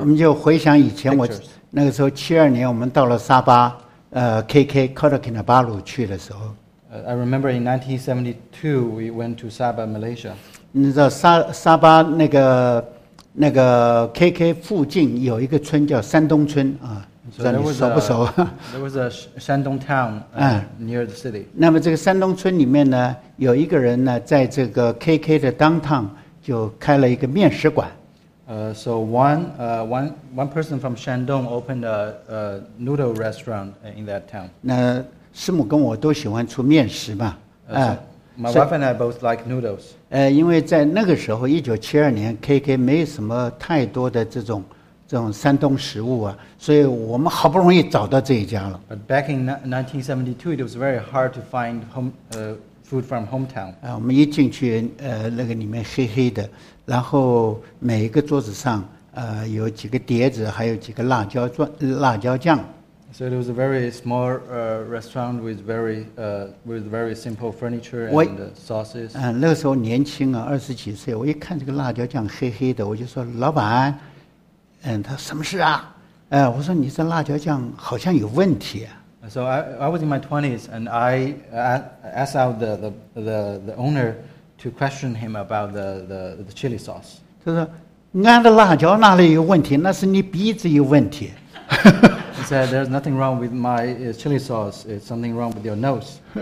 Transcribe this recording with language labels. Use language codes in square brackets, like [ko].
[zh] 我们就回想以前，我那个时候72年，我们到了沙巴。 KK Kota Kinabalu 去的时候 [en] I remember in 1972 we went to Sabah, Malaysia. [zh] 你知道沙巴那个 KK 附近有一个村叫山东村啊，你熟不熟 [en] ？There was a Shandong town near the city. [zh] 那么这个山东村里面呢，有一个人呢，在这个 KK 的 downtown 就开了一个面食馆。 [en] So one person from Shandong opened a noodle restaurant in that town. [zh] 那师母跟我都喜欢出面食嘛。 [en] So my wife and I both like noodles. [zh] 因为在那个时候，1972年 ，KK 没什么太多的这种山东食物啊，所以我们好不容易找到这一家了。 [en] But back in 1972, it was very hard to find food from hometown. [zh] 我们一进去，那个里面黑黑的。然后每一个桌子上，有几个碟子，还有几个辣椒酱。 [en] So it was a very small restaurant with very simple furniture and sauces. [zh] 那个时候年轻啊，20几岁，我一看这个辣椒酱黑黑的，我就说老板，他说什么事啊？我说你这辣椒酱好像有问题啊。 [en] So I was in my 20s and I asked out the owner. To question him about the chili sauce. [zh] 他说：“俺的辣椒哪里有问题？那是你鼻子有问题。” [en] He said, "There's nothing wrong with my chili sauce. It's something wrong with your nose."